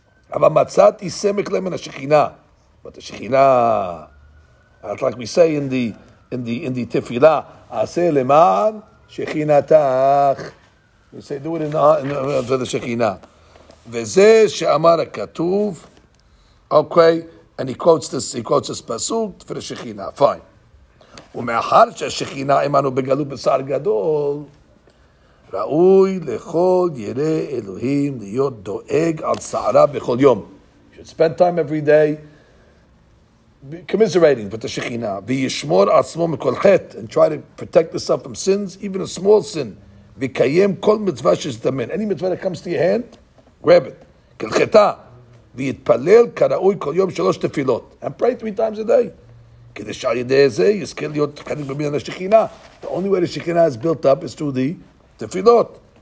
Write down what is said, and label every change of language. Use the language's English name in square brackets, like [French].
[English] But the Shekhinah, that's like we say in the Tefillah, [Hebrew] Aseh Leman Shekhinatach. [English] We say, do it for the Shekhinah. [Hebrew] Vezeh she'amar ha-katuv. [English] Okay, and he quotes this pasuk for the Shekhinah. Fine. [Hebrew] ומאחר שהשכינה אמנו בגלות בשר גדול, ראוי לכל ירא אלוהים להיות דואג על שערה בכל יום. [English] You should spend time every day commiserating with the Shekhinah. [Hebrew] וישמור עצמו מכל חטא, [English] and try to protect yourself from sins, even a small sin. [Hebrew] וקיים כל מצווה שזדמן. [English] Any mitzvah that comes to your hand, grab it. [Hebrew] כלחטא. ויתפלל כראוי כל יום שלוש תפילות. [English] And pray three times a day. The only way the Shekhinah is built up is through the tefillot.